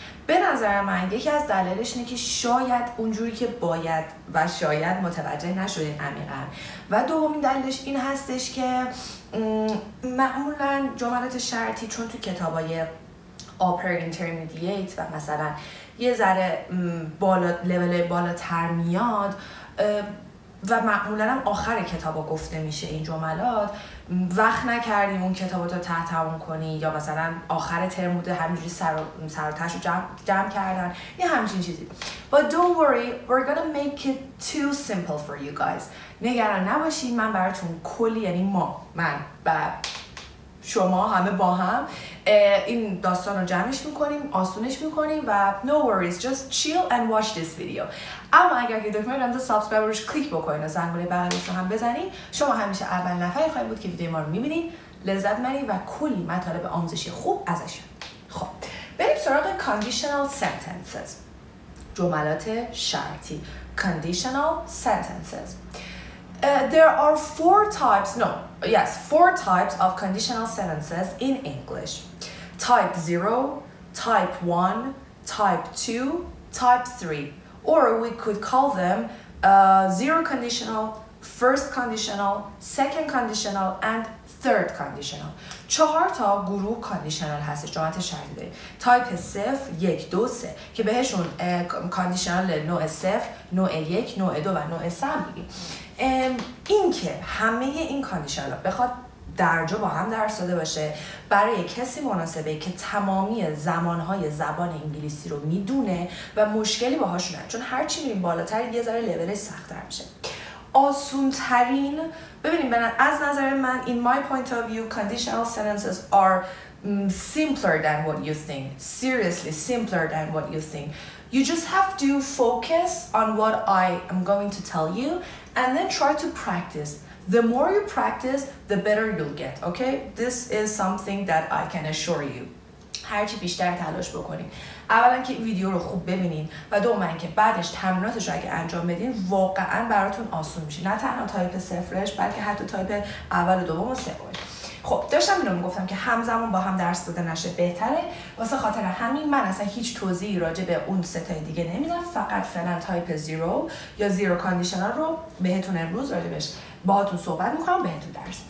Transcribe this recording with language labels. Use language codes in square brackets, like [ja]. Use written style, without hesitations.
[fa] به نظر من یکی از دلایلش اینه که شاید اونجوری که باید و شاید متوجه نشدین عمیقا، و دومین دلیلش این هستش که معمولا جملات شرطی چون تو کتابای upper intermediate و مثلا یه ذره بالا لول بالاتر میاد و معمولا هم آخر کتابا گفته میشه این جملات، وقت نکردیم اون کتابو تا ته تموم کنی، یا مثلا آخر ترم بوده همینجوری سر و تهشو جمع کردن، یه همچین چیزی. [en] But don't worry, we're gonna make it too simple for you guys. [fa] نگران نباشید، من براتون کلی، یعنی ما، من و شما همه با هم این داستان رو جمعش میکنیم، آسونش میکنیم و [en] no worries, just chill and watch this video. [fa] اما اگر که دکمه رمز سابسکرایب روش کلیک بکنید و زنگوله بغلش رو هم بزنید، شما همیشه اول نفری خواهید بود که ویدیو ما رو میبینید، لذت میبرید و کلی مطالب آموزشی خوب ازش. خب بریم سراغ conditional sentences، جملات شرطی. [en] conditional sentences there are four types, no, yes, four types of conditional sentences in English. Type 0, type 1, type 2, type 3. Or we could call them zero conditional, first conditional, second conditional, and third conditional. [fa] چهار تا گروه conditional هست، جملات شرطی داریم. تایپ صفر، یک، دو، سه، که بهشون conditional نوع صفر، نوع یک، نوع دو و نوع سه میگیم. این که همه این کاندیشنال ها بخواد درجا با هم درس داده باشه برای کسی مناسبه که تمامی زمانهای زبان انگلیسی رو میدونه و مشکلی باهاشون نداره، چون هرچی میریم بالاتر یه ذره لولش سخت‌تر میشه. آسون‌ترین، ببینیم، از نظر من، [en] in my point of view, conditional sentences are simpler than what you think. Seriously, simpler than what you think. You just have to focus on what I am going to tell you and then try to practice. The more you practice, the better you'll get, okay? This is something that I can assure you. [fa] هرچی بیشتر تلاش بکنین، اولا که ویدیو رو خوب ببینین و دوما که بعدش تمریناتش رو اگه انجام بدین واقعا براتون آسون میشه، نه تنها تایپ صفرش بلکه حتی تایپ اول و دوم و سومش. خب داشتم اینو میگفتم که همزمان با هم درس داده نشه بهتره، واسه خاطر همین من اصلا هیچ توضیحی راجع به اون ستای دیگه نمیدم، فقط فعلا تایپ زیرو یا زیرو کاندیشنال رو بهتون امروز راجع بهش باهاتون صحبت میکنم، بهتون درس.